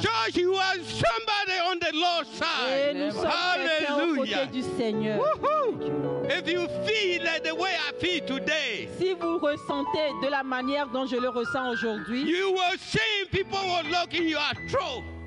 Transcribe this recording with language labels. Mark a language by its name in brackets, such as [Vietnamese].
[English] Josh, you are somebody on the Lord's side. Hallelujah. Woo-hoo. If you feel like the way I feel today, [French] si vous ressentez de la manière dont je le ressens aujourd'hui, [English] you will see people will look in your throat.